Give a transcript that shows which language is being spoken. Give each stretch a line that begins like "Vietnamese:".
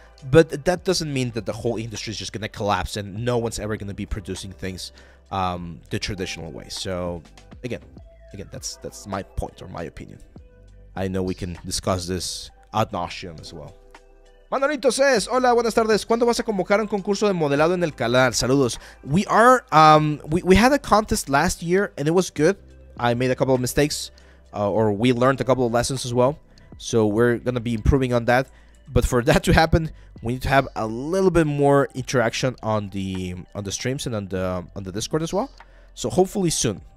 English: But that doesn't mean that the whole industry is just going to collapse and no one's ever going to be producing things the traditional way. So again, that's my point or my opinion. I know we can discuss this ad nauseum as well. Manolito says,
Spanish: hola, buenas tardes. ¿Cuándo vas a convocar un concurso de modelado en el canal? Saludos.
English: We are, we had a contest last year and it was good. I made a couple of mistakes or we learned a couple of lessons as well. So we're going to be improving on that. But for that to happen, we need to have a little bit more interaction on the streams and on the Discord as well. So hopefully soon.